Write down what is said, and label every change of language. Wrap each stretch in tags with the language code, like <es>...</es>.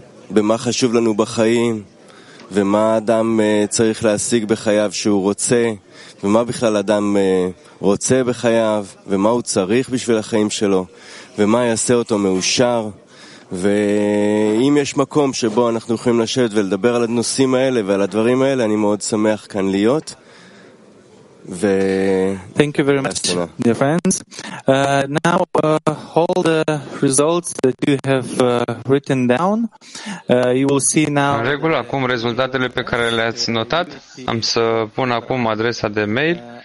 <he>במה חשוב לנו בחיים, ומה אדם צריך להשיג בחייו שהוא רוצה, ומה בכלל אדם רוצה בחייו, ומה הוא צריך בשביל החיים שלו, ומה יעשה אותו מאושר. ואם יש מקום שבו אנחנו יכולים לשבת ולדבר על הנושאים האלה ועל הדברים האלה, אני מאוד שמח כאן להיות.</he> <en>Thank you very much, dear friends. Now, all the results that you have written down, you will see now.</en> <ro>Regulă acum rezultatele pe care le-ați notat. Am să pun acum adresa de mail.</ro>